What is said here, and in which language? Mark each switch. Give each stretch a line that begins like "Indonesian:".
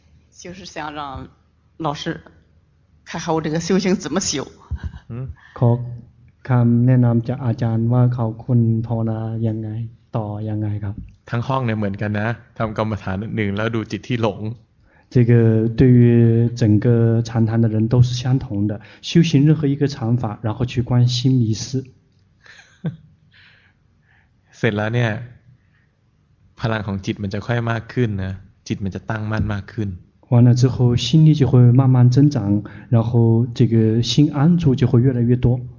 Chinese: 就是想让老师看看我这个修行怎么修。嗯。
Thai: ขอคำแนะนำจากอาจารย์ว่าเขาควรภาวนายังไงต่อยังไงครับ ทั้งห้องเนี่ยเหมือนกันนะทำกรรมฐานหนึ่งแล้วดูจิตที่หลง
Chinese: 这个对于整个禅堂的人都是相同的，修行任何一个禅法，然后去观心迷失。
Thai: เสร็จแล้วเนี่ยพลังของจิตมันจะค่อยมากขึ้นนะจิตมันจะตั้งมั่นมากขึ้น
Chinese: 完了之后心力就会慢慢增长然后这个心安住就会越来越多